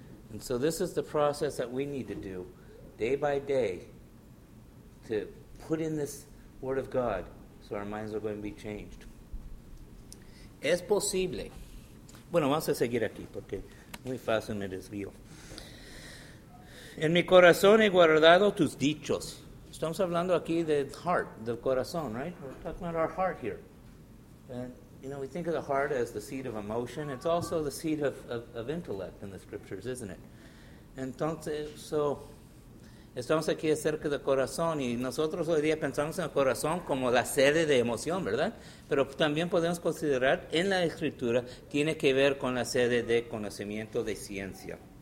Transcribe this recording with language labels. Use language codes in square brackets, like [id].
[en] And so this is the process that we need to do day by day, to put in this word of God so our minds are going to be changed. [es] Es posible. Bueno, vamos a seguir aquí porque muy fácil me desvío. En mi corazón he guardado tus dichos. Estamos hablando aquí del heart, del corazón, right? [en] We're talking about our heart here. And, you know, we think of the heart as the seat of emotion. It's also the seat of intellect in the scriptures, isn't it? [es] Entonces, so estamos aquí cerca del corazón y nosotros hoy día pensamos en el corazón como la sede de emoción, ¿verdad? Pero también podemos considerar en la escritura tiene que ver con la sede de conocimiento de ciencia.